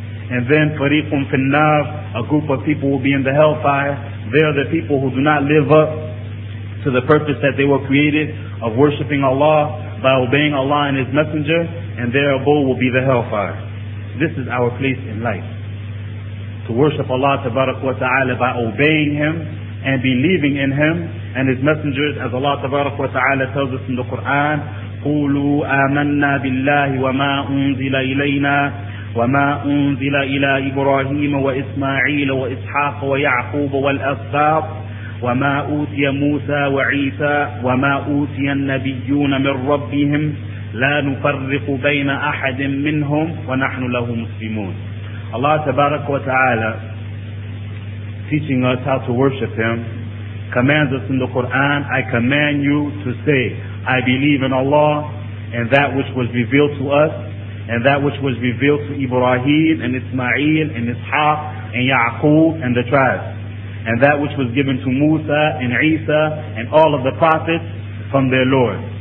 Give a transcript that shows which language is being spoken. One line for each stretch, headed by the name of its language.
English: And then fariqun fin nar, a group of people will be in the hellfire. They are the people who do not live up to the purpose that they were created of worshiping Allah by obeying Allah and His Messenger, and their abode will be the hellfire. This is our place in life. To worship Allah tabarak wa ta'ala by obeying Him and believing in Him and His Messengers, as Allah tabarak wa ta'ala tells us in the Quran,
Arabic: قُولُوا آمَنَّا بِاللَّهِ وَمَا أُنزِلَ إِلَيْنَا وَمَا أُنزِلَ إِلَىٰ إِبْرَاهِيمَ وَإِسْمَاعِيلَ وَإِسْحَاقَ وَيَعْقُوبَ وَالْأَسْبَاطِ وَمَا أُوتِيَ مُوسَى وَعِيسَى وَمَا أُوتِيَ النَّبِيُّونَ مِنْ رَبِّهِمْ لَا نُفَرِّقُ بَيْنَ أَحَدٍ مِّنْهُمْ وَنَحْنُ لَهُ مُسْلِمُونَ.
English: Allah tabarak wa ta'ala, teaching us how to worship Him, commands us in the Quran, I command you to say, I believe in Allah and that which was revealed to us, and that which was revealed to Ibrahim and Ismail and Ishaq and Ya'qub and the tribes, and that which was given to Musa and Isa and all of the prophets from their Lord.